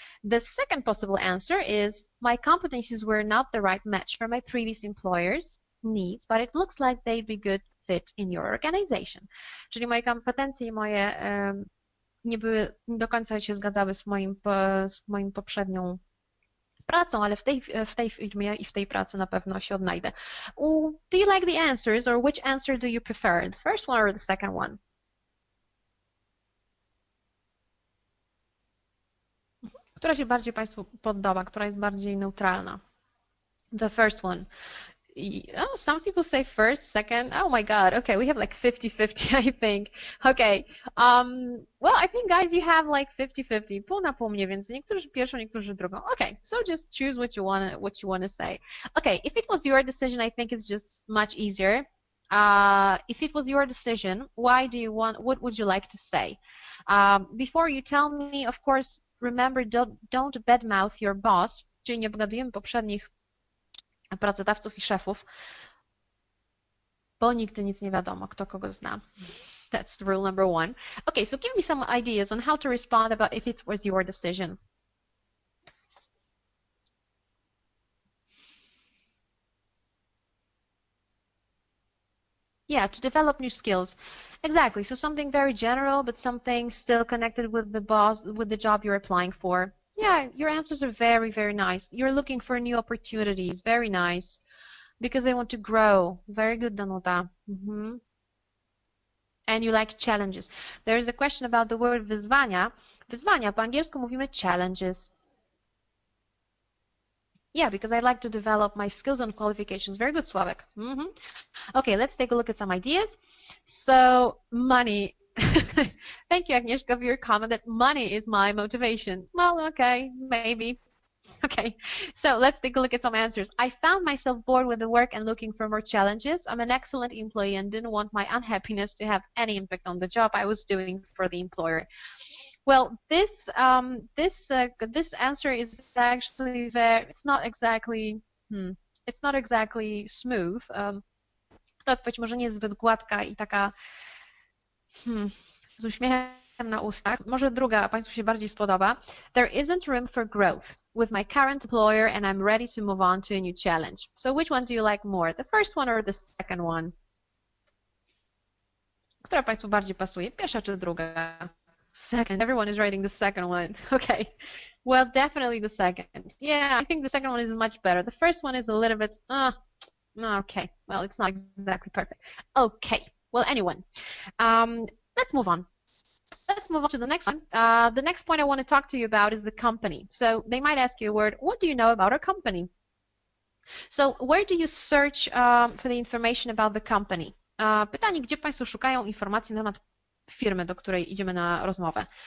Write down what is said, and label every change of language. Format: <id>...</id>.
<en>The second possible answer is my competencies were not the right match for my previous employers. Needs, but it looks like they'd be good fit in your organization.</en> <pl>Czyli moje kompetencje i moje nie były do końca się zgadzały z moim poprzednią pracą, ale w tej firmie i w tej pracy na pewno się odnajdę.</pl> <en>Do you like the answers, or which answer do you prefer, the first one or the second one?</en> <pl>Która się bardziej Państwu podoba, która jest bardziej neutralna?</pl> <en>The first one. Oh, some people say first, second. Oh my God. Okay, we have like 50-50, I think. Okay. Well, I think, guys, you have like 50-50.</en> <pl>Pół na pół mniej więcej. Niektórzy pierwszą, niektórzy drugą.</pl> <en>Okay, so just choose what you wanna say. Okay, if it was your decision, I think it's just much easier. If it was your decision, why do you want? What would you like to say? Before you tell me, of course, remember, don't badmouth your boss.</en> <pl>Czyli nie pogadujemy poprzednich pracodawców i szefów, bo nigdy nic nie wiadomo, kto kogo zna.</pl> <en>That's the rule number one. Okay, so give me some ideas on how to respond about if it was your decision. Yeah, to develop new skills. Exactly, so something very general, but something still connected with the boss, with the job you're applying for. Yeah, your answers are very, very nice. You're looking for new opportunities. Very nice. Because they want to grow. Very good, Danuta. Mm-hmm. And you like challenges. There is a question about the word wyzwania.</en> <pl>Wyzwania, po angielsku mówimy challenges.</pl> <en>Yeah, because I like to develop my skills and qualifications. Very good, Sławek. Mm-hmm. Okay, let's take a look at some ideas. So, money. Thank you, Agnieszka, for your comment that money is my motivation. Well, okay, maybe. Okay, so let's take a look at some answers. I found myself bored with the work and looking for more challenges. I'm an excellent employee and didn't want my unhappiness to have any impact on the job I was doing for the employer. Well, this answer is actually very, it's not exactly smooth.</en> <pl>To odpowiedź może nie jest zbyt gładka i taka z uśmiechem na ustach. Może druga Państwu się bardziej spodoba.</pl> <en>There isn't room for growth with my current employer and I'm ready to move on to a new challenge. So which one do you like more? The first one or the second one?</en> <pl>Która Państwu bardziej pasuje? Pierwsza czy druga?</pl> <en>Second. Everyone is writing the second one. Okay. Well, definitely the second. Yeah, I think the second one is much better. The first one is a little bit... okay. Well, it's not exactly perfect. Okay. Well, anyone. Let's move on. Let's move on to the next one. The next point I want to talk to you about is the company. So they might ask you a word, what do you know about our company? So where do you search for the information about the company?</en> <pl>Pytanie, gdzie Państwo szukają informacji na temat firmy, do której idziemy na rozmowę?</pl>